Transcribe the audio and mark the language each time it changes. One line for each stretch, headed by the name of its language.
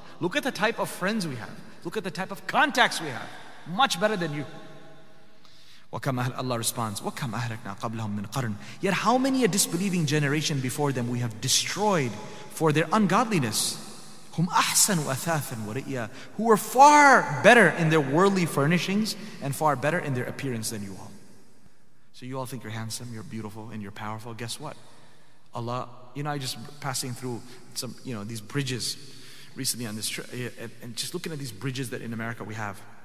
English: Look at the type of friends we have. Look at the type of contacts we have. Much better than you. Allah responds,
Arabic: وَكَمْ أَهْلَكْنَا قَبْلَهُمْ مِنْ قَرْنٍ.
English: Yet how many a disbelieving generation before them we have destroyed for their ungodliness.
Arabic: هُمْ أَحْسَنُوا أَثَاثًا وَرِئِيَا.
English: Who were far better in their worldly furnishings and far better in their appearance than you all. So you all think you're handsome, you're beautiful, and you're powerful. Guess what? Allah, you know, I just passing through some, you know, these bridges recently on this trip, and just looking at these bridges that in America we have.